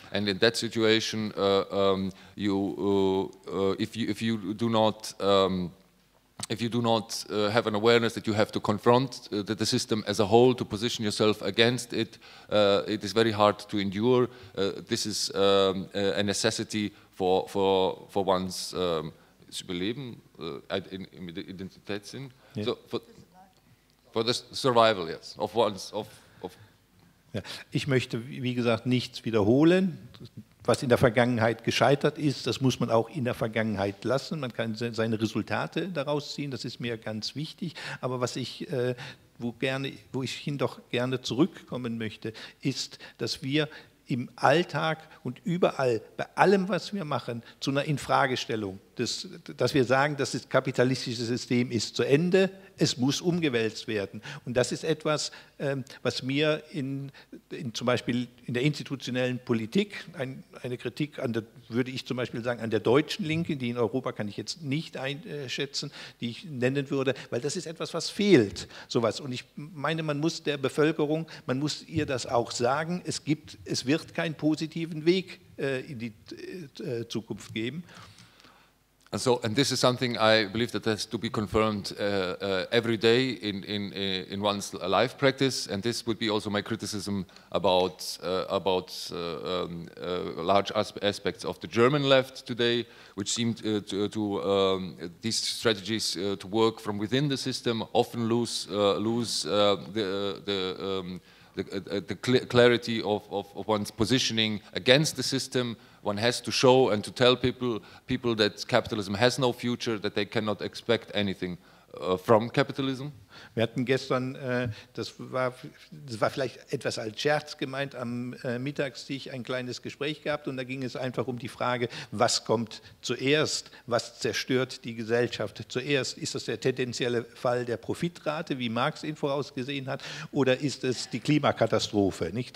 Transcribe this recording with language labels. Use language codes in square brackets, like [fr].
[en] And in that situation, if you do not have an awareness that you have to confront the system as a whole to position yourself against it, it is very hard to endure. This is a necessity for one's [de] Überleben, Identitätssinn. [en] Yeah. So for the survival, yes, of one's of. [de] Ja. Ich möchte, wie gesagt, nichts wiederholen. Was in der Vergangenheit gescheitert ist, das muss man auch in der Vergangenheit lassen. Man kann seine Resultate daraus ziehen, das ist mir ganz wichtig. Aber was ich gerne zurückkommen möchte, ist, dass wir im Alltag und überall, bei allem, was wir machen, zu einer Infragestellung, dass wir sagen, dass das kapitalistische System ist zu Ende, es muss umgewälzt werden. Und das ist etwas, was mir in zum Beispiel in der institutionellen Politik, eine Kritik an der, würde ich zum Beispiel sagen, an der deutschen Linken, die in Europa kann ich jetzt nicht einschätzen, die ich nennen würde, weil das ist etwas, was fehlt, sowas. Und ich meine, man muss der Bevölkerung, man muss ihr das auch sagen, es wird keinen positiven Weg in die Zukunft geben. [en] And so, and this is something I believe that has to be confirmed every day in one's life practice. And this would be also my criticism about large aspects of the German left today, which seemed to these strategies to work from within the system often lose the clarity of one's positioning against the system. One has to show and to tell people that capitalism has no future, that they cannot expect anything from capitalism. [de] Wir hatten gestern, das war vielleicht etwas als Scherz gemeint, am Mittagstisch ein kleines Gespräch gehabt, und da ging es einfach um die Frage, was kommt zuerst, was zerstört die Gesellschaft zuerst? Ist das der tendenzielle Fall der Profitrate, wie Marx ihn vorausgesehen hat, oder ist es die Klimakatastrophe? Nicht?